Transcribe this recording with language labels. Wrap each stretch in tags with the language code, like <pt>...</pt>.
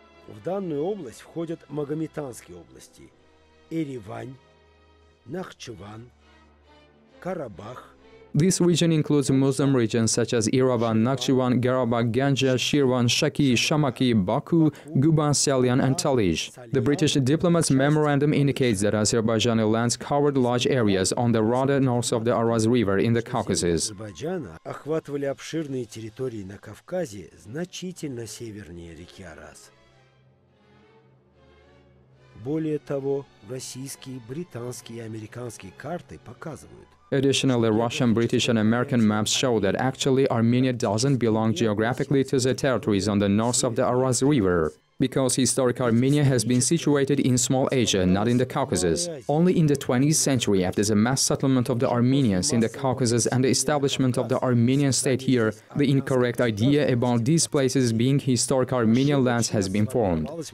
<ru>В данную область входят Магометанские области, Erivan, Nakhchivan, Karabakh.</ru> <en>This region includes Muslim regions such as Erivan, Nakhchivan, Karabakh, Ganja, Shirvan, Shaki, Shamakhi, Baku, Guban, Salyan, and Talij. The British diplomat's memorandum indicates that Azerbaijani lands covered large areas on the Rada north of the Araz River in the Caucasus.</en> <ru>Азербайджана охватывали обширные территории на Кавказе значительно севернее реки Арас. Более того, российские, британские и американские карты показывают.</ru> <en>Additionally, Russian, British, and American maps show that actually Armenia doesn't belong geographically to the territories on the north of the Araz River, because historic Armenia has been situated in small Asia, not in the Caucasus. Only in the 20th century, after the mass settlement of the Armenians in the Caucasus and the establishment of the Armenian state here, the incorrect idea about these places being historic Armenian lands has been formed.</en>